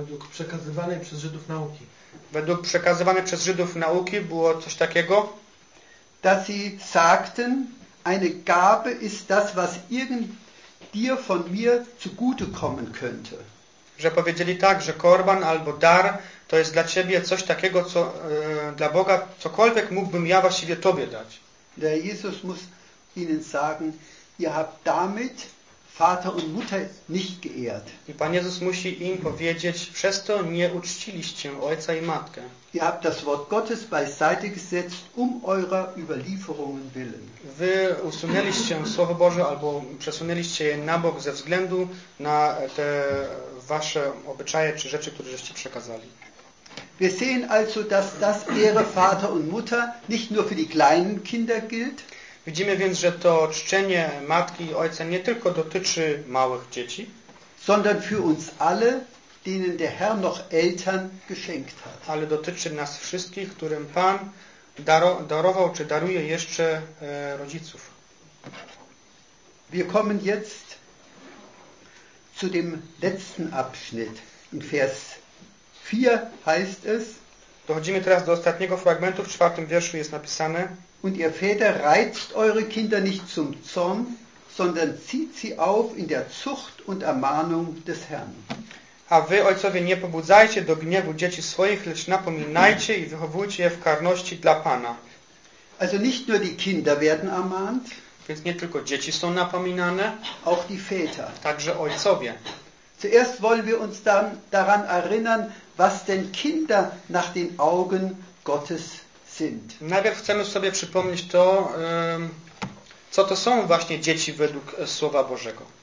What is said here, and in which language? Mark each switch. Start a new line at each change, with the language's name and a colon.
Polish: przekazywanej przez Żydów nauki. Według przekazywanej przez Żydów nauki było coś takiego,
German: dass sie sagten, eine Gabe ist das, was irgend dir von mir zugute kommen könnte.
Polish: Że powiedzieli tak, że korban albo dar to jest dla ciebie coś takiego, co dla Boga cokolwiek mógłbym ja właściwie tobie dać.
German: Der Jesus muss ihnen sagen, ihr habt damit Vater und Mutter nicht geehrt.
Polish: I Pan Jezus musi im powiedzieć, przez to nie uczciliście ojca i matkę.
German: Ihr habt das Wort Gottes beiseite gesetzt um eurer Überlieferungen willen.
Polish: Wy usunęliście Słowo Boże albo przesunęliście je na bok ze względu na te wasze obyczaje czy rzeczy, które żeście przekazali.
German: Wir sehen also, dass das Ehre Vater und Mutter nicht nur für die kleinen Kinder gilt.
Polish: Widzimy więc, że to czczenie matki i ojca nie tylko dotyczy małych dzieci,
German: sondern für uns alle, denen der Herr noch Eltern geschenkt hat.
Polish: Ale dotyczy nas wszystkich, którym Pan darował czy daruje jeszcze rodziców.
German: Wir kommen jetzt zu dem letzten Abschnitt. In Vers 4 heißt es.
Polish: Dochodzimy teraz do ostatniego fragmentu. W czwartym wierszu jest napisane.
German: Und ihr Väter reizt eure Kinder nicht zum Zorn, sondern zieht sie auf in der Zucht und Ermahnung des Herrn.
Polish: A wy, ojcowie, nie pobudzajcie do gniewu dzieci swoich, lecz napominajcie i wychowujcie je w karności dla Pana.
German: Also nicht nur die Kinder werden ermahnt.
Polish: Więc nie tylko dzieci są napominane.
German: Auch die Väter.
Polish: Także ojcowie.
German: Zuerst wollen wir uns dann daran erinnern, was denn Kinder nach den Augen Gottes sind.
Polish: Najpierw chcemy sobie przypomnieć to, co to są właśnie dzieci według Słowa Bożego.